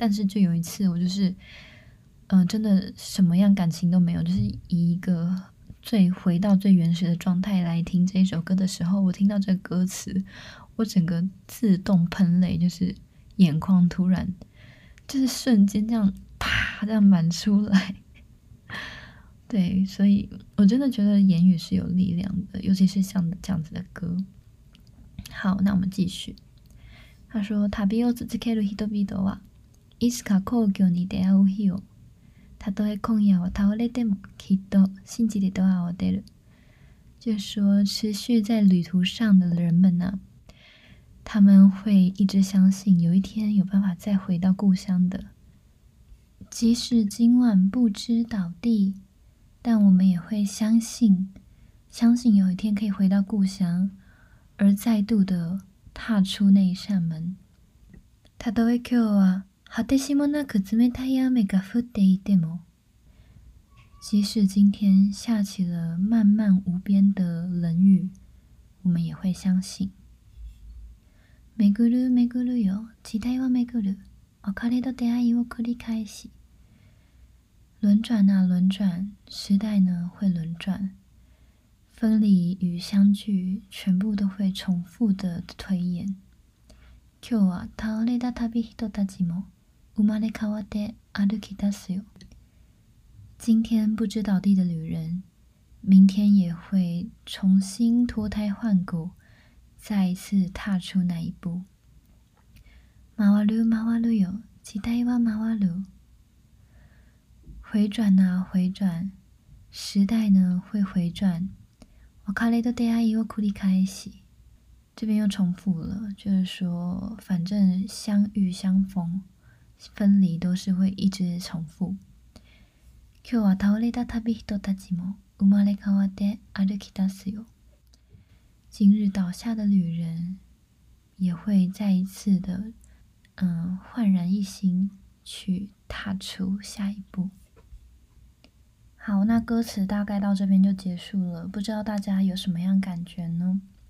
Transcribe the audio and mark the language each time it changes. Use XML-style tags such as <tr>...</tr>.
<zh>但是就有一次我就是真的什么样感情都没有，就是以一个最回到最原始的状态来听这首歌的时候，我听到这歌词，我整个自动喷泪，就是眼眶突然就是瞬间这样啪这样满出来。对，所以我真的觉得言语是有力量的，尤其是像这样子的歌。好，那我们继续。他说</zh> <ja>旅を続ける人々はいつか故郷に出会う日を、たとえ今夜は倒れてもきっと信じてドアを出る。</ja> <zh>就说持续在旅途上的人们呢，他们会一直相信有一天有办法再回到故乡的，即使今晚不知倒地，但我们也会相信，相信有一天可以回到故乡，而再度的踏出那一扇门。</zh> <ja>たとえ今日は果てしもなく冷たい雨が降っていても，</ja> <zh>即使今天下起了漫漫无边的冷雨，我们也会相信。</zh> <ja>めぐるめぐるよ、期待はめぐる、別れと出会いを繰り返し。</ja> <zh>轮转啊轮转，时代呢会轮转，分离与相聚全部都会重复的推演。</zh> <ja>今日は倒れた旅人たちも生まれ変わって歩き出すよ。</ja> <zh>今天不知倒地的旅人，明天也会重新脱胎换骨，再一次踏出那一步。</zh> <ja>回る回るよ、時代は回る。</ja> <zh>回转啊回转，时代呢会回转。</zh> <ja>別れと出会いを繰り返し，</ja> <zh>这边又重复了，就是说反正相遇相逢分离都是会一直重复。</zh> <ja>今日は倒れた旅人たちも生まれ変わって歩き出すよ。</ja> <zh>今日倒下的旅人也会再一次的焕然一新，去踏出下一步。好，那歌词大概到这边就结束了，不知道大家有什么样感觉呢？</zh>